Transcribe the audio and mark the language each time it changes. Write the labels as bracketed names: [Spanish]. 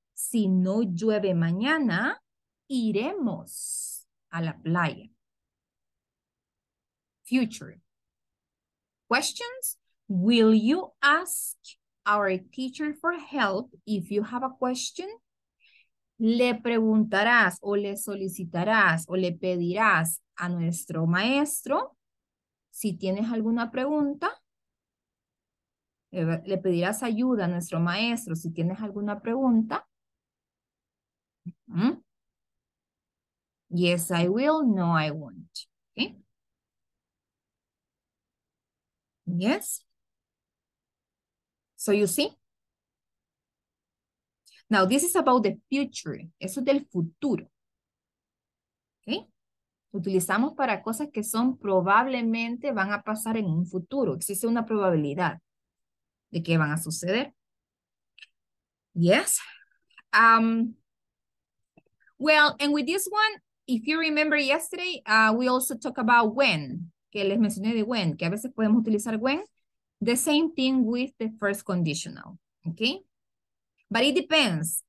[Spanish] Si no llueve mañana, iremos a la playa. [English] Future. Questions? Will you ask our teacher for help if you have a question? [Spanish] ¿Le preguntarás o le solicitarás o le pedirás a nuestro maestro si tienes alguna pregunta? ¿Le pedirás ayuda a nuestro maestro si tienes alguna pregunta? [English] ¿Mm? Yes, I will. No, I won't. Okay. Yes. So you see? Now, this is about the future. [Spanish] Eso es del futuro. [English] Okay? [Spanish] Utilizamos para cosas que son probablemente van a pasar en un futuro. Existe una probabilidad de que van a suceder. [English] Yes. Well, and with this one, if you remember yesterday, we also talked about when. [Spanish] Que les mencioné de when, que a veces podemos utilizar when. [English] The same thing with the first conditional, okay? But it depends.